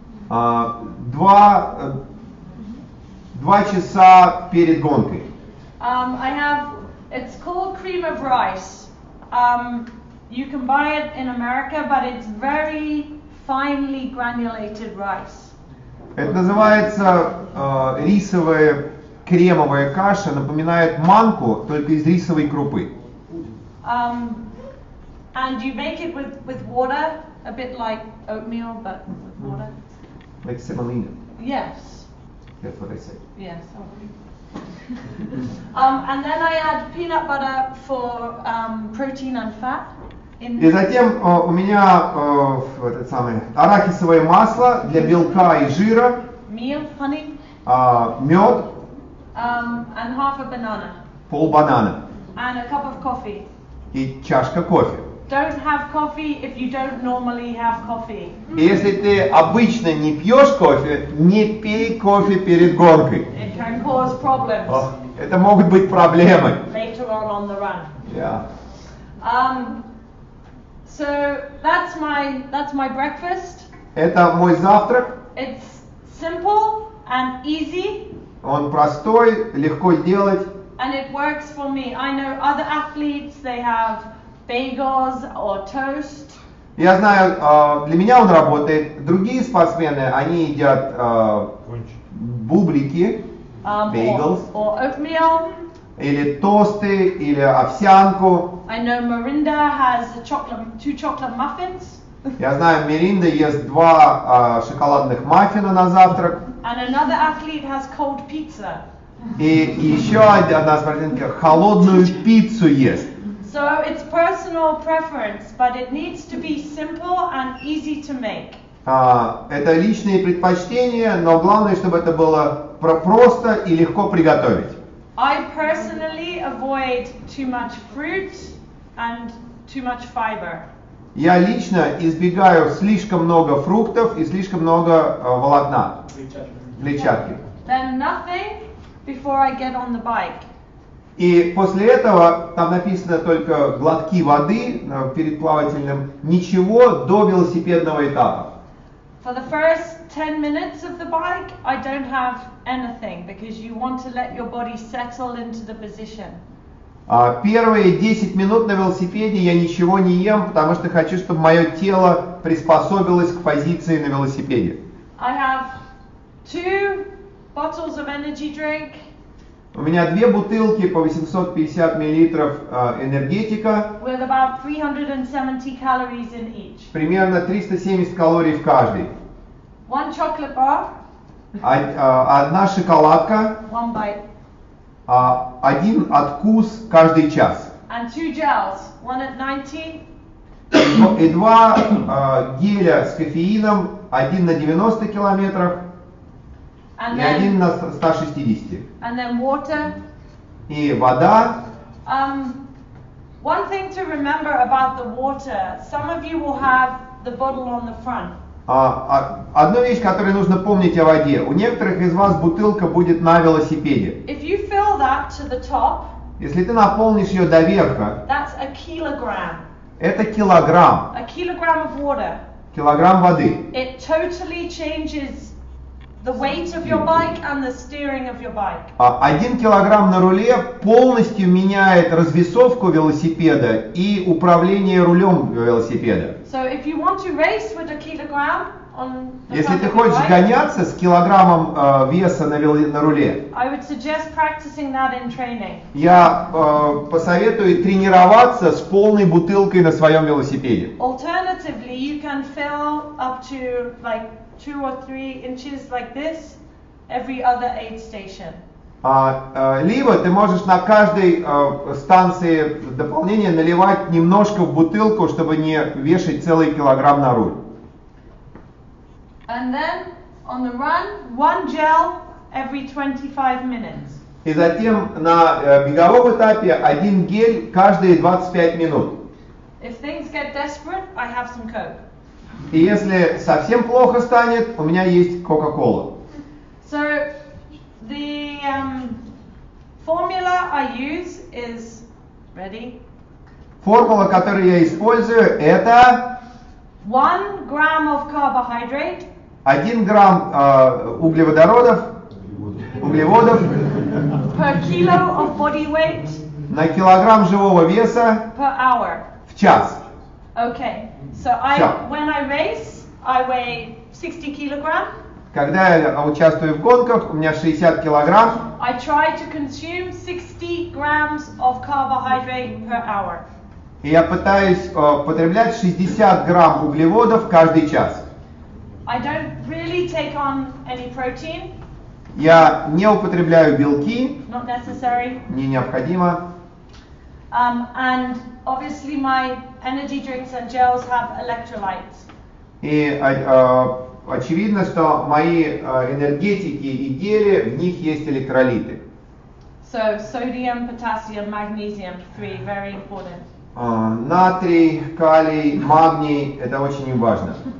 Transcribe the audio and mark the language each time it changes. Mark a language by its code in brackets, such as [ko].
[ru] Два часа перед гонкой. [en] I have, it's called cream of rice. You can buy it in America, but it's very finely granulated rice. [ru] Это называется рисовая кремовая каша, напоминает манку, только из рисовой крупы. [en] And you make it with water, a bit like oatmeal, but with water. Like semolina. Yes. That's what I said. Yes. Oh. and then I add peanut butter for protein and fat. [ru] И затем у меня этот самый арахисовое масло для белка и жира. [en] Meal, honey. [ru] Мед. [en] And half a banana. [ru] Пол банана. [en] And a cup of coffee. [ru] И чашка кофе. [en] Don't have coffee if you don't normally have coffee. [ru] И если ты обычно не пьешь кофе, не пей кофе перед гонкой. [en] It can cause problems. [ru] Это могут быть проблемы. [en] Later on the run. Yeah. So that's my breakfast. [ru] Это мой завтрак. [en] It's simple and easy. [ru] Он простой, легко делать. [en] And it works for me. I know other athletes, they have bagels or toast. [ru] Я знаю, для меня он работает. Другие спортсмены, они едят бублики, bagels. [en] Or oatmeal. [ru] Или тосты, или овсянку. [en] I know Mirinda has a chocolate, two chocolate muffins. [ru] Я знаю, Mirinda ест два шоколадных маффина на завтрак. [en] And another athlete has cold pizza. [ru] И еще одна спортсменка холодную пиццу ест. [en] So it's personal preference, but it needs to be simple and easy to make. [ru] Это личные предпочтения, но главное, чтобы это было просто и легко приготовить. [en] I personally avoid too much fruit and too much fiber. [ru] Я лично избегаю слишком много фруктов и слишком много волокна. Клетчатки. [en] Then nothing. Before I get on the bike. [ru] И после этого там написано только глотки воды перед плавательным, ничего до велосипедного этапа. [en] For the first 10 minutes of the bike, I don't have anything because you want to let your body settle into the position. [ru] Первые 10 минут на велосипеде я ничего не ем, потому что хочу, чтобы мое тело приспособилось к позиции на велосипеде. [en] I have two bottles of energy drink. [ru] У меня две бутылки по 850 миллилитров энергетика. [en] With about 370 calories in each. [ru] Примерно 370 калорий в каждой. [en] One chocolate bar. [ru] Одна шоколадка. [en] One bite. [ru] Один откус каждый час. [en] And two gels, one at 90. [ru] И два геля с кофеином, один на 90 километрах. [en] And [ru] и [en] then, [ru] один на 160. [en] And then water. [ru] И вода. [en] One thing to remember about the water. Some of you will have the bottle on the front. [ru] Одну вещь, которую нужно помнить о воде. У некоторых из вас бутылка будет на велосипеде. [en] If you fill that to the top. [ru] Если ты наполнишь ее до верха. [en] That's a kilogram. [ru] Это килограмм. [en] A kilogram of water. [ru] Килограмм воды. [en] It totally changes The weight of your bike and the steering of your bike. [ru] Один килограмм на руле полностью меняет развесовку велосипеда и управление рулем велосипеда. [en] So if you want to race with a kilogram on the [ru] Если ты хочешь гоняться с килограммом веса на руле, [en] I would suggest practicing that in training. [ru] Я посоветую тренироваться с полной бутылкой на своем велосипеде. [en] Alternatively, you can fill up to like 2 or 3 inches like this every other aid station. [ru] Либо ты можешь на каждой станции дополнения наливать немножко в бутылку, чтобы не вешать целый килограмм на руль. [en] And then on the run, one gel every 25 minutes. [ru] И затем на беговом этапе один гель каждые 25 минут. [en] If things get desperate, I have some Coke. [ru] И если совсем плохо станет, у меня есть Coca-Cola. [en] So the formula I use is ready. [ru] Формула, которую я использую, это [en] 1 gram of carbohydrate. [ru] 1 грамм углеводородов. Углеводов. [en] Per kilo of body weight. [ru] На килограмм живого веса. [en] Per hour. [ru] В час. [en] Okay. So I when I race, I weigh 60 kilograms. [ru] Когда я участвую в гонках, у меня 60 килограмм. [en] I try to consume 60 grams of carbohydrate per hour. [ru] И я пытаюсь потреблять 60 грамм углеводов каждый час. [en] I don't really take on any protein. [ru] Я не употребляю белки. [en] Not necessary. [ru] Не необходимо. [en] And obviously my energy drinks and gels have electrolytes. [ru] И очевидно, что мои энергетики и гели, в них есть электролиты. [en] So sodium, potassium, magnesium, 3 very important. [ru] Натрий, калий, магний – это очень важно.